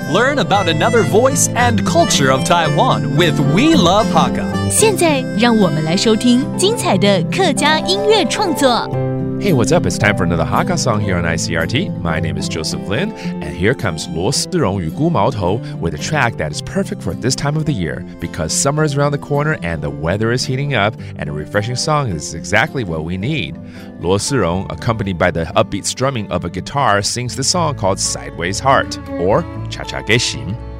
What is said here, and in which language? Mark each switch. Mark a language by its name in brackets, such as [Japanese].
[English] Learn about another voice and culture of Taiwan with We Love Hakka。 [Chinese] 现在让我们来收听精彩的客家音乐创作。 [English] Hey, what's up? It's time for another Hakka song here on ICRT. My name is Joseph Lin, and here comes 罗思容与孤毛头 with a track that is perfect for this time of the year, because summer is around the corner and the weather is heating up, and a refreshing song is exactly what we need. 罗思容, accompanied by the upbeat strumming of a guitar, sings the song called Sideways Heart, or 斜斜个心.